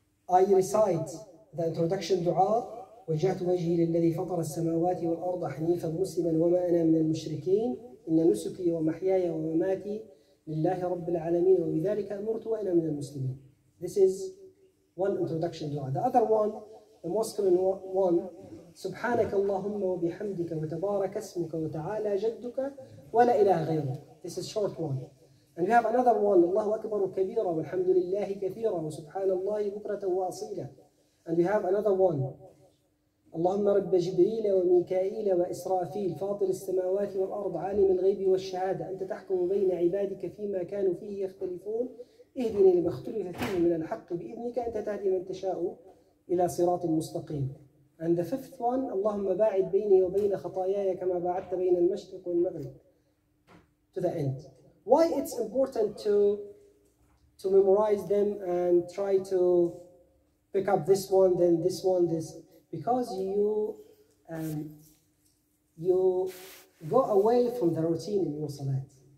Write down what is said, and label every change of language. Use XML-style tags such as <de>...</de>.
<en>I recite the introduction dua</en> <ar>وجهت وجهي للذي فطر السماوات والأرض حنيفا مسلما وما أنا من المشركين إن نسكي ومحياي ومماتي لله رب العالمين وبذلك أمرت وأنا من المسلمين.</ar> <en>This is one introduction to Allah. The other one, the most common one,</en> <ar>سبحانك اللهم وبحمدك وتبارك اسمك وتعالى جدك ولا إله غيرك.</ar> <en>This is short one. And we have another one,</en> <ar>الله أكبر كبيرا والحمد لله كثيرا وسبحان الله بكرة وأصيلا.</ar> <en>And we have another one,</en> <ar>اللهم رب جبريل وميكائيل وإسرافيل فاطر السماوات والأرض عالم الغيب والشهادة أنت تحكم بين عبادك فيما كانوا فيه يختلفون اهدني لما اختلف فيه من الحق بإذنك أنت تهدي من تشاء إلى صراط مستقيم.</ar> <en>And the fifth one,</en> <ar>اللهم باعد بيني وبين خطاياي كما باعدت بين المشرق والمغرب.</ar> <en>To the end. Why it's important to memorize them and try to pick up this one, then this one, this? Because you go away from the routine in your salat.</en>